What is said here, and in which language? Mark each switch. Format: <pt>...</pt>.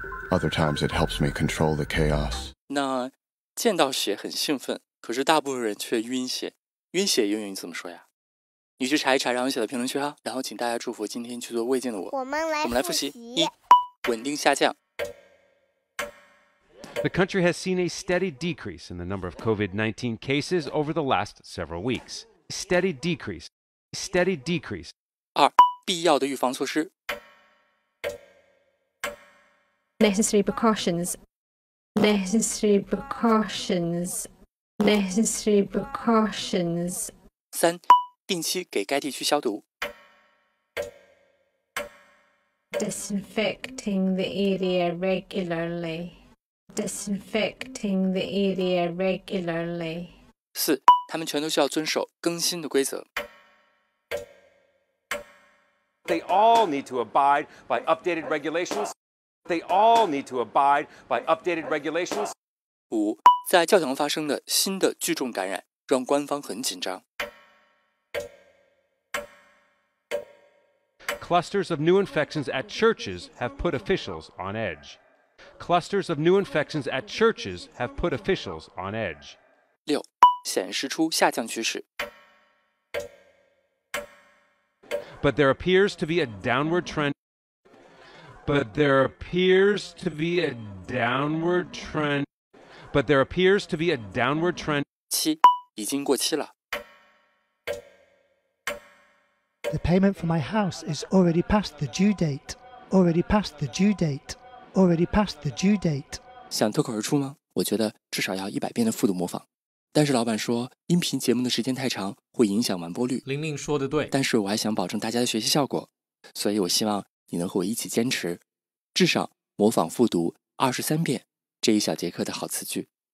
<en>Other times it helps me control the chaos.</en> <zh>那见到血很兴奋，可是大部分人却晕血。晕血英语怎么说呀？你去查一查，然后写到评论区啊。然后请大家祝福今天去做胃镜的我。我们来复习。一，稳定下降。</zh> <en>The country has seen a steady decrease in the number of COVID-19 cases over the last several weeks. Steady decrease. Steady decrease.</en> <zh>二，必要的预防措施。</zh> <en>Necessary precautions. Necessary precautions. Necessary precautions.</en> <zh>三，定期给该地区消毒。</zh> <en>Disinfecting the area regularly. Disinfecting the area regularly.</en> <zh>四，他们全都需要遵守更新的规则。</zh> <en>They all need to abide by updated regulations. They all need to abide by updated regulations.</en> <zh>五，在教堂发生的新的聚众感染让官方很紧张。</zh> <en>Clusters of new infections at churches have put officials on edge. Clusters of new infections at churches have put officials on edge.</en> <zh>六，显示出下降趋势。</zh> <en>But there appears to be a downward trend. But there appears to be a downward trend. But there appears to be a downward trend.</en> <zh>七，已经过期了。</zh> <en>The payment for my house is already past the due date. Already past the due date. Already past the due date.</en> <zh>想脱口而出吗？我觉得至少要100遍的复读模仿。但是老板说，音频节目的时间太长，会影响完播率。玲玲说的对。但是我还想保证大家的学习效果，所以我希望你能和我一起坚持，至少模仿复读23遍这一小节课的好词句。</zh>